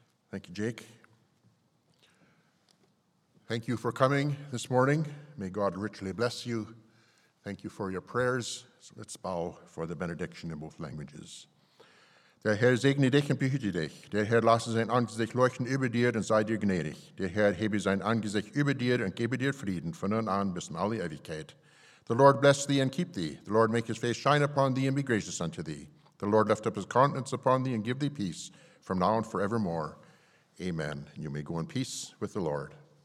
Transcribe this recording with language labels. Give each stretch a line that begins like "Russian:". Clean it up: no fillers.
English: Thank you, Jake. Thank you for coming this morning. May God richly bless you. Thank you for your prayers. So let's bow for the benediction in both languages.
German: Der Herr segne dich und behüte dich. Der Herr lasse sein Angesicht leuchten über dir und sei dir gnädig. Der Herr hebe sein Angesicht über dir und gebe dir Frieden von nun an bis in alle Ewigkeit.
English: The Lord bless thee and keep thee. The Lord make his face shine upon thee and be gracious unto thee. The Lord lift up his countenance upon thee and give thee peace from now and forevermore. Amen. You may go in peace with the Lord.